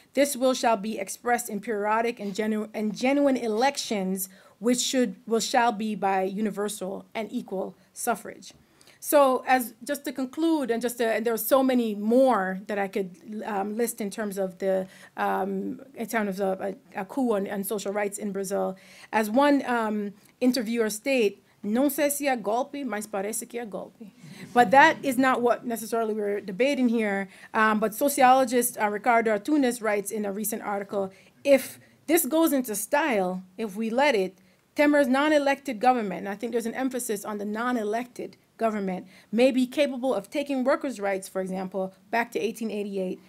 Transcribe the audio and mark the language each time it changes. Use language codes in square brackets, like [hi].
[en] This will shall be expressed in periodic and genuine elections, which shall be by universal and equal suffrage. So as just to conclude, and just to, and there are so many more that I could list in terms of the a coup on social rights in Brazil. As one interviewer state, [pt] "Não sei se é golpe, mas parece que é golpe." [en] But that is not what necessarily we're debating here. But sociologist Ricardo Antunes writes in a recent article, "If this goes into style, if we let it, Temer's non-elected government," and I think there's an emphasis on the non-elected government, "may be capable of taking workers' rights, for example, back to 1888.